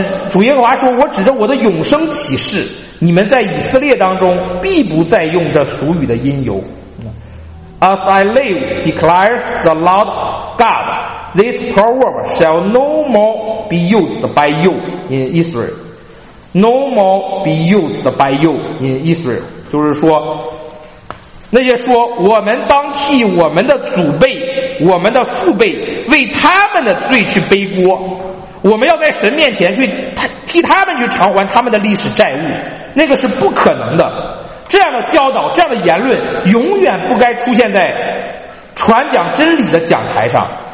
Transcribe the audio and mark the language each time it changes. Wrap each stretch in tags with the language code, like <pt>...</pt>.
<zh>主耶和华说，我指着我的永生起誓，你们在以色列当中必不再用这俗语的因由。</zh> <en>As I live, declares the Lord God, this proverb shall no more be used by you in Israel. No more be used by you in Israel.</en> <zh>就是说，那些说我们当替我们的祖辈、我们的父辈为他们的罪去背锅，我们要在神面前去替他们去偿还他们的历史债务，那个是不可能的。这样的教导、这样的言论永远不该出现在传讲真理的讲台上。</zh>